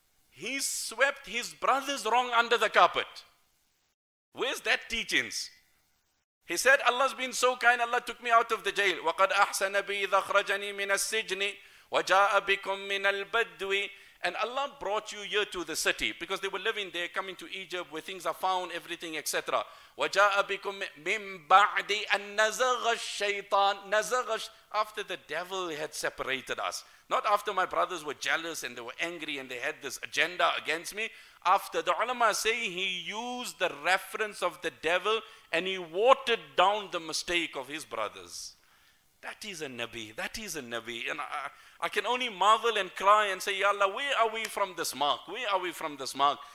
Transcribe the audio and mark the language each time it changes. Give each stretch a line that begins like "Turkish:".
English: He swept his brother's wrong under the carpet. Where's that teachings? He said, Allah's been so kind, Allah took me out of the jail.
Arabic: وَقَدْ أَحْسَنَ بِي إِذَا خْرَجَنِي مِنَ السِّجْنِ وَجَاءَ بِكُم مِنَ الْبَدْوِ
English: And Allah brought you here to the city, because they were living there, coming to Egypt where things are found, everything, etc.
Arabic: وَجَاءَ بِكُمْ مِنْ بَعْدِ أَنَّزَغَ الشَّيْطَانِ نَزَغَ
English: After the devil had separated us. Not after my brothers were jealous and they were angry and they had this agenda against me. After, the ulama say, he used the reference of the devil and he watered down the mistake of his brothers. That is a Nabi. That is a Nabi. And I can only marvel and cry and say, Ya Allah, where are we from this mark? Where are we from this mark?